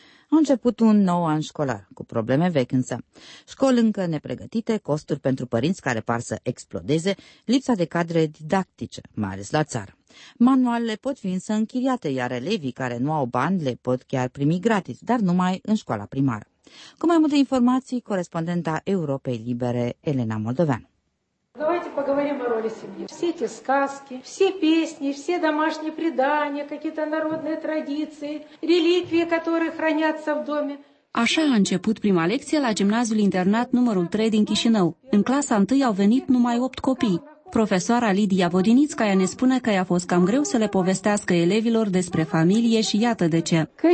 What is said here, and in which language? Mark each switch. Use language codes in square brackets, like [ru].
[ro] A început un nou an școlar, cu probleme vechi însă. Școli încă nepregătite, costuri pentru părinți care par să explodeze, lipsa de cadre didactice, mai ales la țară. Manualele pot fi însă închiriate, iar elevii care nu au bani le pot chiar primi gratis, dar numai în școala primară. Cu mai multe informații, corespondenta Europei Libere, Elena Moldovean. [ru] Давайте поговорим о роли семьи. Все эти сказки, все песни, все домашние предания, какие-то народные традиции, реликвии, которые хранятся в доме. [ro] Așa a început prima lecție la gimnaziul internat numărul 3 din Chișinău. În clasa 1 au venit numai 8 copii. Profesoara Lidia Vodinițcaia ne spune că i-a fost cam greu să le povestească elevilor despre familie și iată de ce.